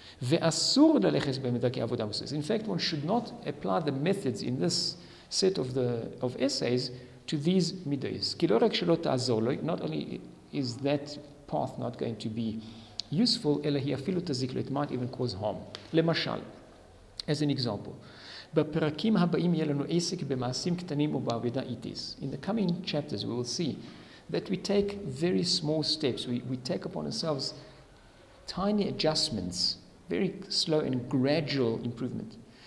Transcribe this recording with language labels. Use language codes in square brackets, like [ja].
[he] Ve'asur l'aleches b'midakei avodah musas. [en] In fact, one should not apply the methods in this set of essays to these midos. [he] Kilorek shelot azoloi, [en] not only is that path not going to be useful, [he] elahi afilu tazikloi, [en] it might even cause harm. Lemashal, as an example. [he] בפרקים הבאים יהיה לנו עסק במעשים קטנים ובעבודה איטית. [en] In the coming chapters, we will see that we take very small steps. We take upon ourselves tiny adjustments, very slow and gradual improvement.